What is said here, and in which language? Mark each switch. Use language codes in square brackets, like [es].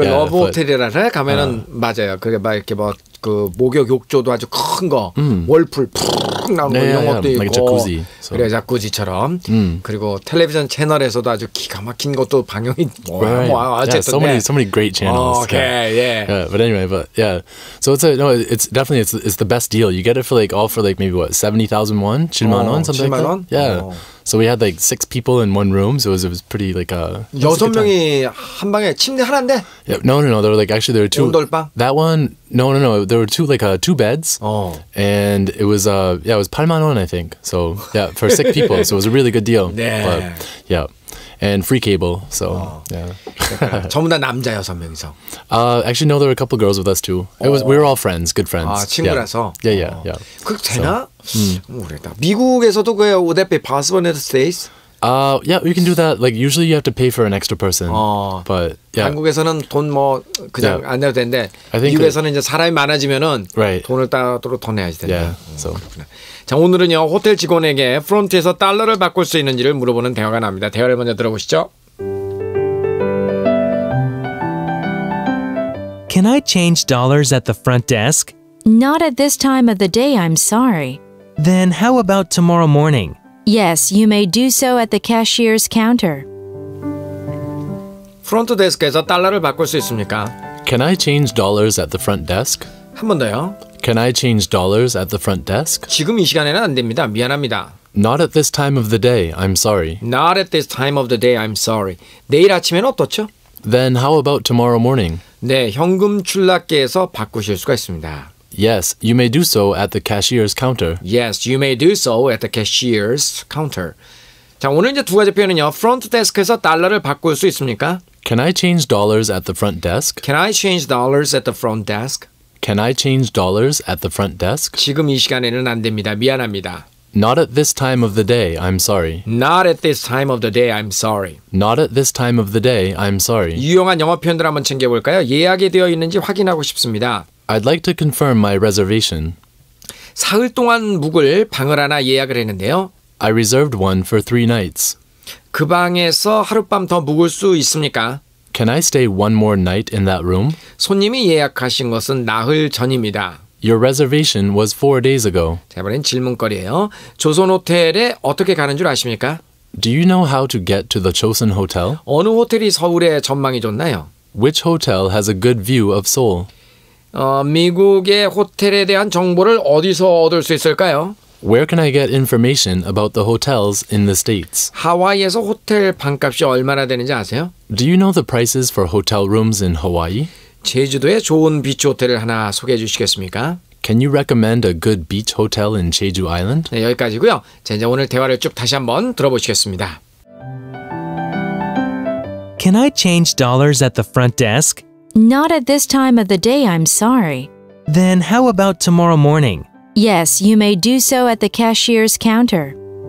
[ko] 그 러브 호텔이라서 가면은 맞아요. 그게 막 이렇게 뭐 그 목욕 욕조도 아주 큰 거, 월풀. 나온 거 이런 것도 [en] like [ko] 있고 자쿠지, [en] so. [ko] 그래 자쿠지처럼 그리고 텔레비전 채널에서도 아주 기가 막힌 것도 방영이 뭐야 [en] right. [ko] 뭐야 어쨌든 [en] yeah, so many great channels. Okay, yeah. Yeah. But anyway, but yeah. So it's a no. It's definitely it's the best deal. You get it for like all for like maybe what 70,000 won, 70,000 won, something like that. Yeah. So we had like six people in one room. So it was pretty like a. [ko] 여섯 명이 한 방에 침대 하나인데. [en] Yeah, no. There were like actually there were two. [ko] 용돌방. [en] That one. No. There were two like two beds. And it was yeah, it was 80,000 won, I think. So yeah, for six people. So it was a really good deal. [ko] 네. [en] But, yeah. And free cable. So 어. yeah. [ko] 전부 다 남자 여섯 명이서. [en] Actually, no. There were a couple of girls with us too. It was we were all friends, good friends. [ko] 아 친구라서. [en] Yeah, yeah, yeah. 어. [ko] 그 되나? [en] So, [ko] 모르겠다. 미국에서도 그 [en] would that be possible in the States? Yeah, we can do that. Like usually you have to pay for an extra person. But yeah. [ko] 한국에서는 돈 뭐 그냥 yeah. 안 내도 되는데 미국에서는 이제 사람이 많아지면은 [en] right. [ko] 돈을 따로 더 내야지 되는 거. [en] Yeah. So. [ko] 자, 오늘은요. 호텔 직원에게 프론트에서 달러를 바꿀 수 있는지를 물어보는 대화가 나옵니다. 대화를 먼저 들어보시죠. [en] Can I change dollars at the front desk? Not at this time of the day, I'm sorry. Then how about tomorrow morning? Yes, you may do so at the cashier's counter. [ko] 프론트 데스크에서 달러를 바꿀 수 있습니까? [en] Can I change dollars at the front desk? [ko] 한 번 더요. [en] Can I change dollars at the front desk? [ko] 지금 이 시간에는 안 됩니다. 미안합니다. [en] Not at this time of the day, I'm sorry. Not at this time of the day, I'm sorry. [ko] 내일 아침에는 어떻죠? [en] Then how about tomorrow morning? [ko] 네, 현금 출납계에서 바꾸실 수가 있습니다. [en] Yes, you may do so at the cashier's counter. Yes, you may do so at the cashier's counter. [ko] 자, 오늘 이제 두 가지 표현은요. 프론트 데스크에서 달러를 바꿀 수 있습니까? [en] Can I change dollars at the front desk? Can I change dollars at the front desk? Can I change dollars at the front desk? [ko] 지금 이 시간에는 안 됩니다. 미안합니다. [en] Not at this time of the day, I'm sorry. Not at this time of the day, I'm sorry. Not at this time of the day, I'm sorry. [ko] 유용한 영어 표현들 한번 챙겨볼까요? 예약이 되어 있는지 확인하고 싶습니다. [en] I'd like to confirm my reservation. [ko] 사흘 동안 묵을 방을 하나 예약을 했는데요. [en] I reserved one for three nights. [ko] 그 방에서 하룻밤 더 묵을 수 있습니까? [en] Can I stay one more night in that room? [ko] 손님이 예약하신 것은 나흘 전입니다. [en] Your reservation was four days ago. [ko] 자, 이번엔 질문거리예요. 조선 호텔에 어떻게 가는 줄 아십니까? [en] Do you know how to get to the Joseon Hotel? [ko] 어느 호텔이 서울에 전망이 좋나요? [en] Which hotel has a good view of Seoul? [ko] 미국의 호텔에 대한 정보를 어디서 얻을 수 있을까요? [en] Where can I get information about the hotels in the States? [ko] 하와이에서 호텔 방값이 얼마나 되는지 아세요? [en] Do you know the prices for hotel rooms in Hawaii? [ko] 제주도에 좋은 비치 호텔을 하나 소개해 주시겠습니까? [en] Can you recommend a good beach hotel in Jeju Island? [ko] 네, 여기까지고요. 이제 오늘 대화를 쭉 다시 한번 들어보시겠습니다. [en] Can I change dollars at the front desk? Not at this time of the day, I'm sorry. Then how about tomorrow morning? Yes, you may do so at the cashier's counter.